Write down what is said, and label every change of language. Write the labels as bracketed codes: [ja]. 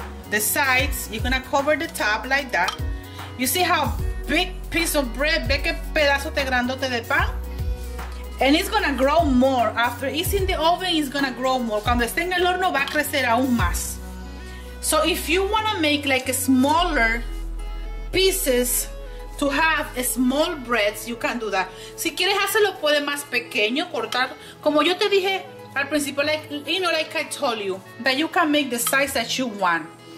[en] The sides, you're gonna cover the top like that. You see how big piece of bread, [es] ve que pedazo de grandote de pan. [en] And it's gonna grow more. After it's in the oven, it's gonna grow more. [es] Cuando esté en el horno, va a crecer aún más. [en] So if you wanna make like a smaller pieces to have small breads, you can do that. [es] Si quieres hacerlo, puede más pequeño, cortar. Como yo te dije al principio, [en] like, you know, like I told you, that you can make the size that you want.